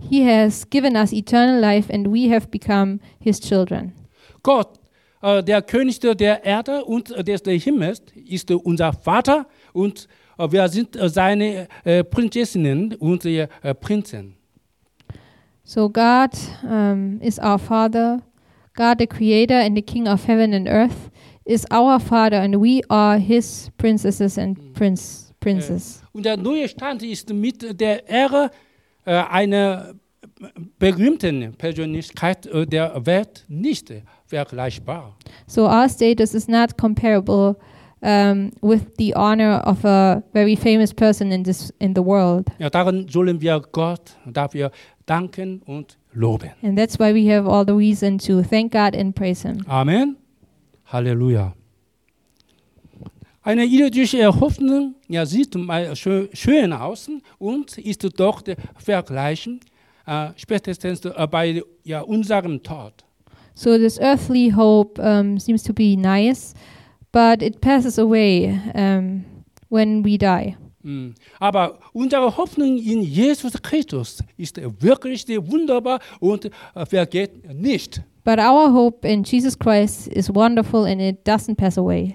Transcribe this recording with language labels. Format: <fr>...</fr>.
<en>He has given us eternal life and we have become his children.</en> <de>Gott, der König der Erde und des Himmels, ist unser Vater und wir sind seine Prinzessinnen und Prinzen.</de> <en>So God is our Father, God the Creator and the King of heaven and earth, is our father and we are his princesses and princes.</en> <de>Und der neue Stand ist mit der Ehre einer berühmten Persönlichkeit der Welt nicht vergleichbar.</de> <en>So our status is not comparable with the honor of a very famous person in the world.</en> <de>Ja, darin sollen wir Gott dafür danken und loben.</de> <en>And that's why we have all the reason to thank God and praise him. Amen. Halleluja.</en> <de>Eine irdische Hoffnung ja, sieht mal schön aus und ist doch vergleichen spätestens bei ja, unserem Tod.</de> <en>So this earthly hope seems to be nice, but it passes away when we die.</en> <de>Aber unsere Hoffnung in Jesus Christus ist wirklich wunderbar und vergeht nicht.</de> <en>But our hope in Jesus Christ is wonderful and it doesn't pass away.</en>